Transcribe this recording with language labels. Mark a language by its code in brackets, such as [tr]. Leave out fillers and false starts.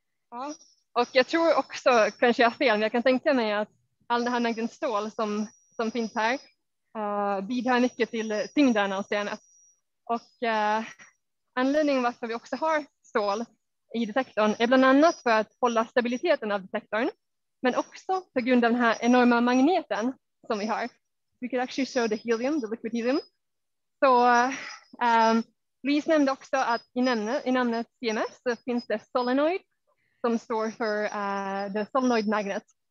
[sv] Ja. Och jag tror också, kanske jag har fel, men jag kan tänka mig att all den här mängden strål som finns här bidrar mycket till tyngden av stenet. Och anledningen varför vi också har stål i detektorn är bland annat för att hålla stabiliteten av detektorn, men också på grund av den här enorma magneten som vi har. [en] We could actually show the helium, the liquid helium. [sv] Så Louise nämnde också att i namnet CMS så finns det solenoid som står för the solenoid magnet.